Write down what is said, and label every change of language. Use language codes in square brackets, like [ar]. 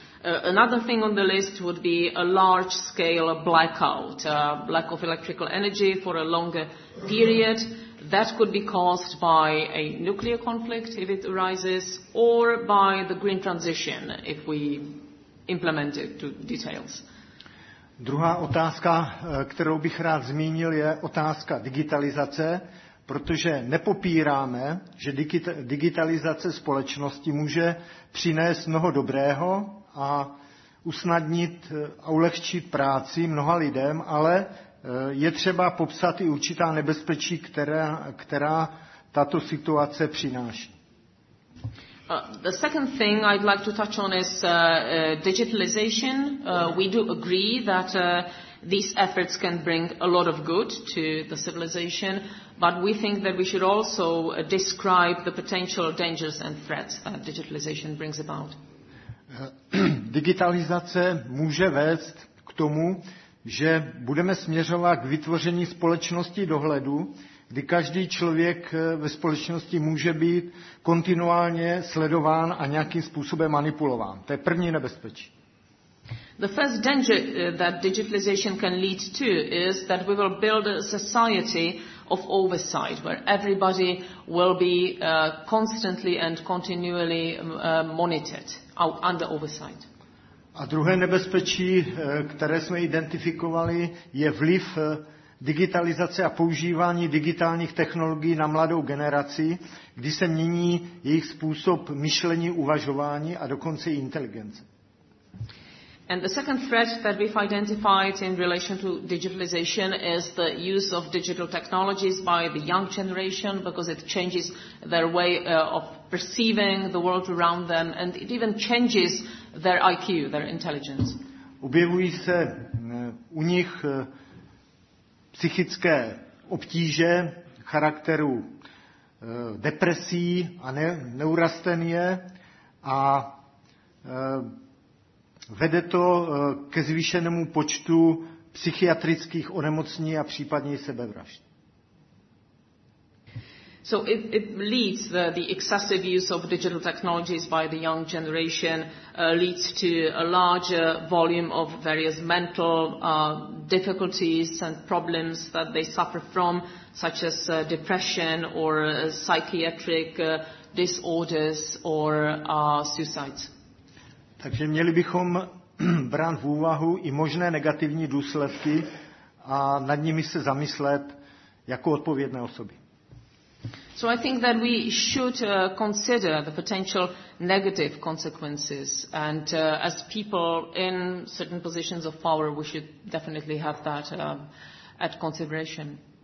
[en] Another thing on the list would be a large-scale blackout, lack of electrical energy for a longer period. That could be caused by a nuclear conflict if it arises, or by the green transition if we implement it to details. [cs] Druhá otázka, kterou bych rád zmínil, je otázka digitalizace, protože nepopíráme, že digitalizace společnosti může přinést mnoho dobrého a usnadnit a ulehčit práci mnoha lidem, ale je třeba popsat i určitá nebezpečí, která tato situace přináší. [en] The second thing I'd like to touch on is digitalization. We do agree that these efforts can bring a lot of good to the civilization, but we think that we should also describe the potential dangers and threats that digitalization brings about. [cs] Digitalizace může vést k tomu, že budeme směřovat k vytvoření společnosti dohledu, kdy každý člověk ve společnosti může být kontinuálně sledován a nějakým způsobem manipulován. To je první nebezpečí. [en] The first danger that digitalization can lead to is that we will build a society of oversight, where everybody will be constantly and continually monitored, under oversight. [cs] A druhé nebezpečí, které jsme identifikovali, je vliv digitalizace a používání digitálních technologií na mladou generaci, kdy se mění jejich způsob myšlení, uvažování a dokonce i inteligence. [en] And the second threat that we've identified in relation to digitalization is the use of digital technologies by the young generation, because it changes their way of perceiving the world around them, and it even changes their IQ, their intelligence. [cs] Objevují se u nich psychické obtíže charakteru depresí a neurastenie a vede to ke zvýšenému počtu psychiatrických onemocnění a případně sebevražd. [en] So it leads the excessive use of digital technologies by the young generation leads to a larger volume of various mental difficulties and problems that they suffer from, such as depression or psychiatric disorders or suicides. [cs] Takže měli bychom brát v úvahu i možné negativní důsledky a nad nimi se zamyslet jako odpovědné osoby. [en] So I think that we should consider the potential negative consequences and as people in certain positions of power we should definitely have that at consideration.